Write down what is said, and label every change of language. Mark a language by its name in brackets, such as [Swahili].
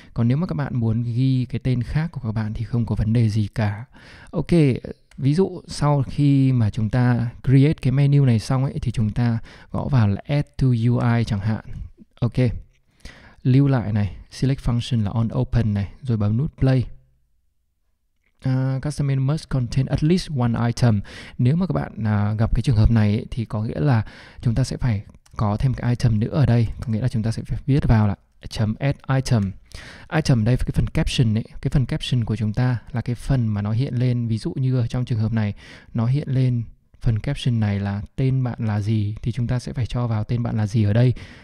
[Vietnamese] Còn nếu mà các bạn muốn ghi cái tên khác của các bạn thì không có vấn đề gì cả. Ok, ví dụ sau khi mà chúng ta create cái menu này xong ấy thì chúng ta gõ vào là add to UI chẳng hạn. Ok, lưu lại này, select function là onOpen này, rồi bấm nút play. [English] Customer must contain at least one item. [Vietnamese] Nếu mà các bạn gặp cái trường hợp này ấy, thì có nghĩa là chúng ta sẽ phải có thêm cái item nữa ở đây. Có nghĩa là chúng ta sẽ phải viết vào là .add item. Item đây cái phần caption ấy, cái phần caption của chúng ta là cái phần mà nó hiện lên. Ví dụ như trong trường hợp này nó hiện lên phần caption này là tên bạn là gì, thì chúng ta sẽ phải cho vào tên bạn là gì ở đây.